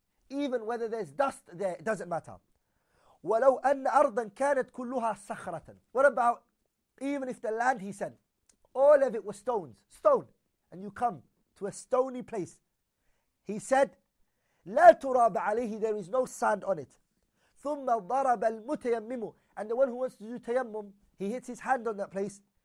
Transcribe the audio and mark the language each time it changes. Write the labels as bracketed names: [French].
[English] Even whether there's dust there, it doesn't matter. [Arabic] ولو أن أرضا كانت كلها صخرة. [English] What about even if the land, he said, all of it was stones, stone, and you come to a stony place. He said, [Arabic] لا تراب عليه, [English] there is no sand on it. [Arabic] ثم ضرب المتيمم, [English] and the one who wants to do tayammum, he hits his hand on that place.